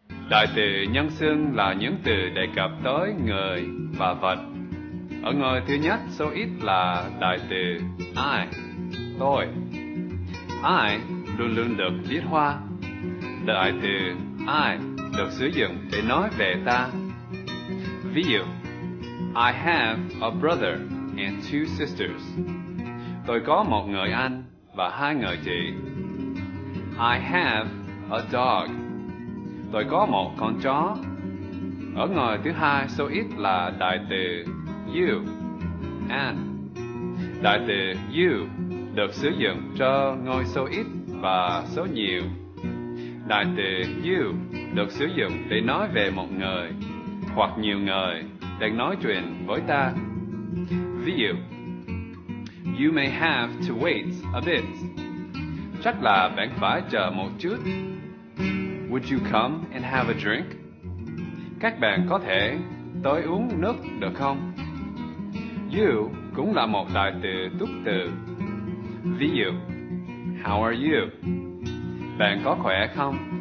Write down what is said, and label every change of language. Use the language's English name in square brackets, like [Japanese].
[Vietnamese] Đại từ nhân xưng là những từ đề cập tới người và vật. Ở người thứ nhất số ít là đại từ I, tôi. I luôn luôn được viết hoa. Đại từ I được sử dụng để nói về ta. Ví dụ, [English] I have a brother and two sisters. [Vietnamese] Tôi có một người anh và hai người chị. [English] I have a dog. [Vietnamese] Tôi có một con chó. Ở người thứ hai số ít là đại từ you, an. Đại từ you được sử dụng cho ngôi số ít và số nhiều. Đại từ you được sử dụng để nói về một người hoặc nhiều người đang nói chuyện với ta. Ví dụ, [English] you may have to wait a bit. [Vietnamese] Chắc là bạn phải chờ một chút. [English] Would you come and have a drink? [Vietnamese] Các bạn có thể tới uống nước được không? You cũng là một đại từ túc từ. Ví dụ, [English] how are you? [Vietnamese] Bạn có khỏe không?